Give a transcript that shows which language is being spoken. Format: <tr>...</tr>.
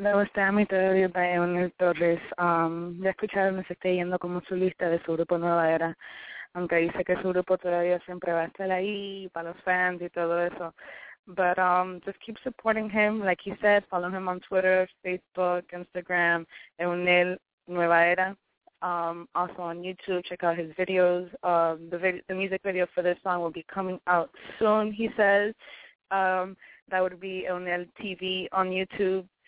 <en>That was Dami Todorio by Eunice Torres.</en> <es>Ya escucharon, se está yendo como solista de su grupo Nueva Era, aunque dice que su grupo todavía siempre va a estar ahí para los fans y todo eso.</es> <en>But just keep supporting him. Like he said, follow him on Twitter, Facebook, Instagram, Eunice Nueva Era. Also on YouTube, check out his videos. The music video for this song will be coming out soon, he says. That would be Eunice TV on YouTube.</en>